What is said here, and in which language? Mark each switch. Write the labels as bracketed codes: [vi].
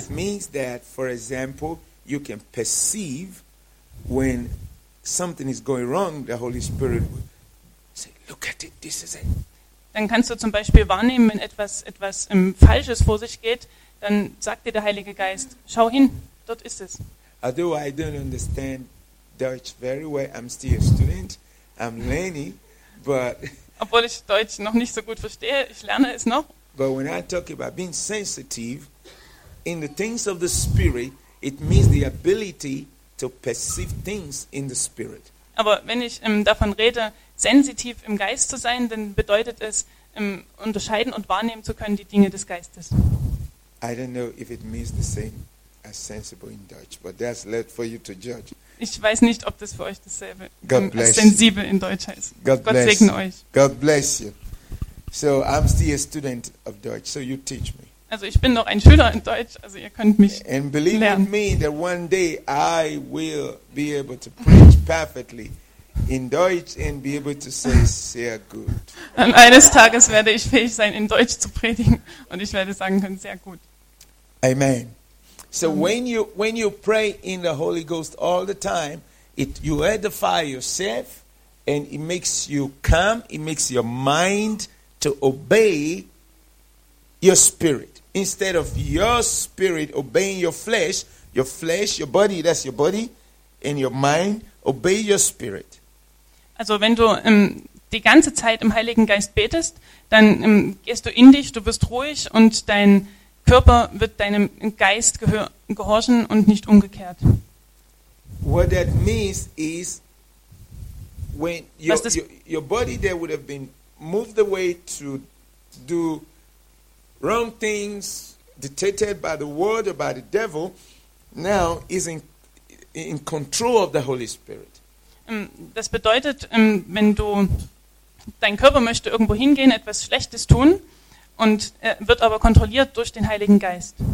[en] It means that, for example, you can perceive when something is going wrong. The Holy Spirit will say, "Look at it. This is it." [de] Dann kannst du zum Beispiel wahrnehmen, wenn etwas Falsches vor sich geht, dann sagt dir der Heilige Geist: Schau hin, dort ist es. [en] Although I don't understand Dutch very well, I'm still a student. I'm learning, but. [de] Obwohl ich Deutsch noch nicht so gut verstehe, ich lerne es noch. [en] But when I talk about being sensitive in the things of the Spirit, it means the ability to perceive things in the Spirit. [de] Aber wenn ich davon rede, sensitiv im Geist zu sein, dann bedeutet es, unterscheiden und wahrnehmen zu können die Dinge des Geistes. [en] I don't know if it means the same as sensible in Dutch, but that's left for you to judge. [de] Ich weiß nicht, ob das für euch dasselbe als sensibel in Deutsch heißt. Gott segne euch. [en] God bless you. So I'm still a student of Deutsch, so you teach me. [de] Also ich bin noch ein Schüler in Deutsch, also ihr könnt mich lernen. [en] And believe in me that one day I will be able to preach perfectly in Deutsch and be able to say [de] sehr gut. Und eines Tages werde ich fähig sein, in Deutsch zu predigen und ich werde sagen können, sehr gut. [en] Amen. So when you pray in the Holy Ghost all the time, you edify yourself and it makes you calm, it makes your mind to obey your spirit. Instead of your spirit obeying your flesh, your body, that's your body, and your mind, obey your spirit. [de] Also wenn du die ganze Zeit im Heiligen Geist betest, dann gehst du in dich, du wirst ruhig und dein Körper wird deinem Geist gehorchen und nicht umgekehrt. [en] What that means is, when your body there would have been moved away to do wrong things dictated by the world or by the devil, now is in control of the Holy Spirit. [de] Das bedeutet, wenn du dein Körper möchte irgendwo hingehen, etwas Schlechtes tun, und wird aber kontrolliert durch den Heiligen Geist.